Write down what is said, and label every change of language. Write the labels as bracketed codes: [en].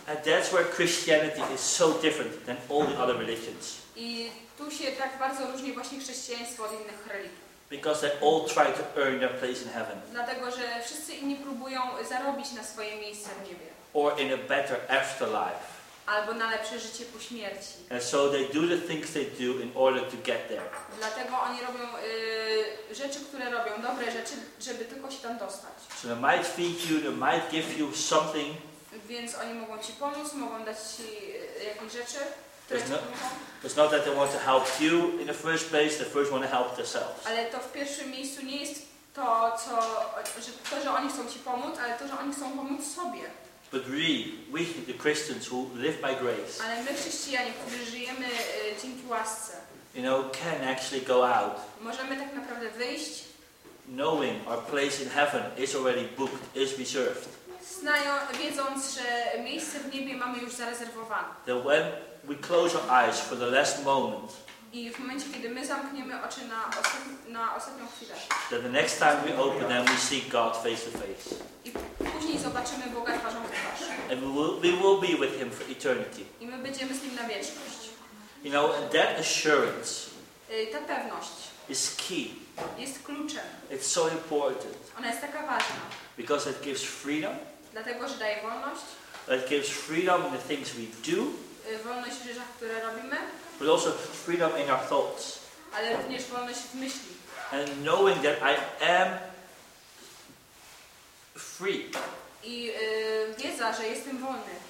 [en] And that's where Christianity is so different than all the other religions. [pl] I tu się tak bardzo różni właśnie chrześcijaństwo od innych religii. [en] Because they all try to earn their place in heaven. [pl] Dlatego, że wszyscy inni próbują zarobić na swoje miejsce w niebie. [en] Or in a better afterlife. [pl] Albo na lepsze życie po śmierci. [en] And so they do the things they do in order to get there. [pl] Dlatego oni robią rzeczy, które robią, dobre rzeczy, żeby tylko się tam dostać. [en] So they might feed you, they might give you something. [pl] Więc oni mogą ci pomóc, mogą dać ci jakieś rzeczy. [en] It's not that they want to help you in the first place. They first want to help themselves. [pl] Ale to w pierwszym miejscu nie jest to, co, że to, że oni chcą ci pomóc, ale to, że oni chcą pomóc sobie. [en] But we the Christians who live by grace. [pl] Ale my chrześcijanie, którzy żyjemy dzięki łasce. [en] You know, can actually go out. [pl] Możemy tak naprawdę wyjść. [en] Knowing our place in heaven is already booked, is reserved. [pl] Wiedząc, że miejsce w niebie mamy już zarezerwowane. [en] That when we close our eyes for the last moment. [pl] I w momencie, kiedy my zamkniemy oczy na ostatnią chwilę. [en] That the next time we open them, we see God face to face. [pl] I później zobaczymy Boga twarzą w twarz. [en] And we will be with Him for eternity. [pl] I my będziemy z Nim na wieczność. [en] You know, and that assurance. [pl] Ta pewność. [en] Is key. [pl] Jest kluczem. [en] It's so important. [pl] Ona jest taka ważna. [en] Because it gives freedom. [pl] Dlatego, że daje wolność. [en] It gives freedom in the things we do. [pl] Wolność w rzeczach, które robimy. [en] But also freedom in our thoughts. [pl] Ale również wolność w myśli. [en] And knowing that I am free. [pl] I wiedza, że jestem wolny.